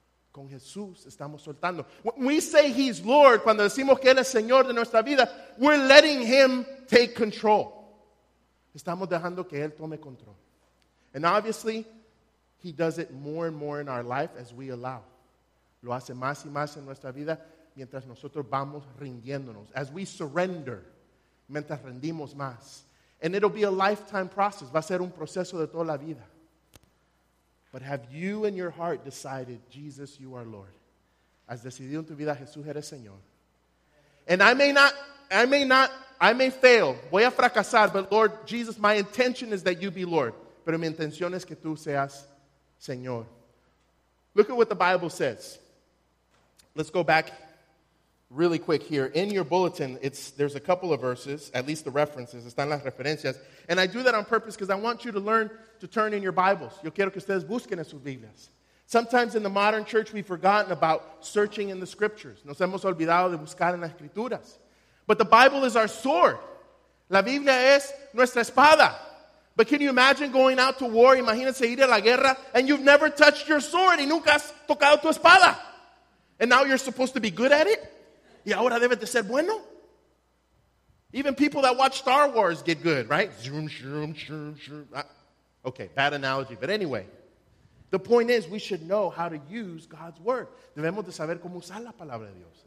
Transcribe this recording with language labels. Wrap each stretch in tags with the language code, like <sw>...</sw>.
<es>Con Jesús estamos soltando.</es> <en>When we say he's Lord,</en> <es>cuando decimos que él es Señor de nuestra vida,</es> <en>we're letting him take control.</en> <es>Estamos dejando que él tome control.</es> <en>And obviously, he does it more and more in our life as we allow.</en> <es>Lo hace más y más en nuestra vida mientras nosotros vamos rindiéndonos.</es> <en>As we surrender,</en> <es>mientras rendimos más.</es> <en>And it'll be a lifetime process.</en> <es>Va a ser un proceso de toda la vida.</es> <en>But have you in your heart decided, Jesus, you are Lord?</en> <es>¿Has decidido en tu vida, Jesús, eres Señor?</es> <en>And I may fail,</en> <es>voy a fracasar,</es> <en>but Lord Jesus, my intention is that you be Lord.</en> <es>Pero mi intención es que tú seas Señor.</es> <en>Look at what the Bible says. Let's go back really quick here. In your bulletin, there's a couple of verses, at least the references,</en> <es>están las referencias.</es> <en>And I do that on purpose because I want you to learn to turn in your Bibles.</en> <es>Yo quiero que ustedes busquen en sus Biblias.</es> <en>Sometimes in the modern church, we've forgotten about searching in the scriptures.</en> <es>Nos hemos olvidado de buscar en las escrituras.</es> <en>But the Bible is our sword.</en> <es>La Biblia es nuestra espada.</es> <en>But can you imagine going out to war?</en> <es>Imagínense ir a la guerra</es> <en>and you've never touched your sword</en> <es>y nunca has tocado tu espada.</es> <en>And now you're supposed to be good at it?</en> <es>Y ahora debe de ser bueno.</es> <en>Even people that watch Star Wars get good, right? Zoom, zoom, zoom, zoom. Okay, bad analogy. But anyway, the point is we should know how to use God's word.</en> <es>Debemos de saber cómo usar la palabra de Dios.</es>